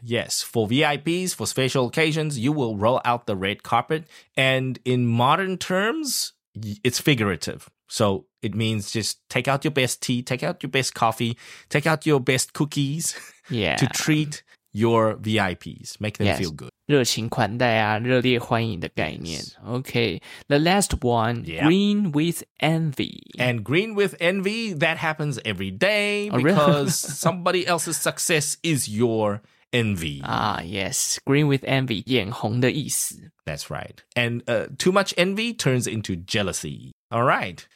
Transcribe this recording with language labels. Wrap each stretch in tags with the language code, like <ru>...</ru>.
<en>Yes, for VIPs, for special occasions, you will roll out the red carpet. And in modern terms, it's figurative. So it means just take out your best tea, take out your best coffee, take out your best cookies to treat your VIPs. Make them feel good.</en> <zh>热情款待啊, 热烈欢迎的概念.</zh> <en>Yes. Okay, the last one, green with envy. And green with envy, that happens every day because somebody else's success is your envy. Ah, yes, green with envy,</en> <zh>眼红的意思.</zh> <en>That's right. And too much envy turns into jealousy. All right.</en>